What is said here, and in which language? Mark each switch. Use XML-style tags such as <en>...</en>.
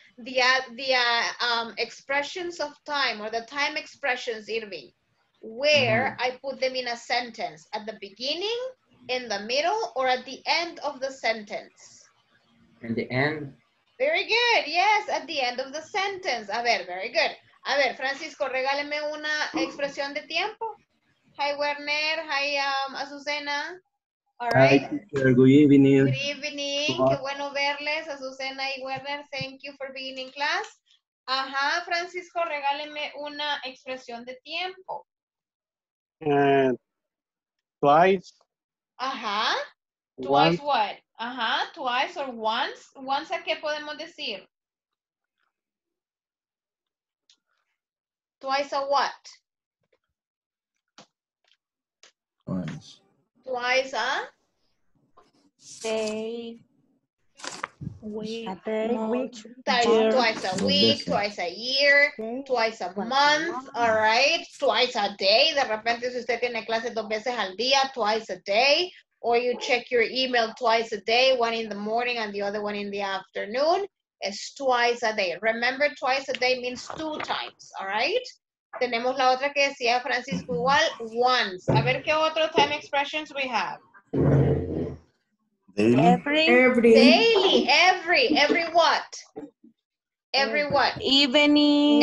<en>The expressions of time, or the time expressions, Irving. Where I put them in a sentence? At the beginning, in the middle, or at the end of the sentence? In the end. Very good. Yes, at the end of the sentence. A ver, very good.</en> <es>A ver, Francisco, regáleme una expresión de tiempo.</es> <en>Hi, Werner. Hi, Azucena. All right. Hi, good evening. Good evening.</en> <es>Qué bueno verles, Azucena y Werner.</es> <en>Thank you for being in class. Ajá, Francisco,</en> <es>regáleme una expresión de tiempo.</es> <en>Twice. Ajá. Twice what? Ajá, twice or once.</en> <es>¿Once a qué podemos decir?</es> <en>Twice a what? Twice a day. Week. A day. Week. Twice a week, twice a year, twice a month, all right? Twice a day.</en> <es>De repente, si usted tiene clases dos veces al día,</es> <en>twice a day. Or you check your email twice a day, one in the morning and the other one in the afternoon. It's twice a day. Remember, twice a day means two times, all right?</en> <es>Tenemos la otra que decía Francisco igual, once. A ver qué otro</es> <en>time expressions we have. Daily. Every. Daily. Every. Every what? Every what? Evening.</en>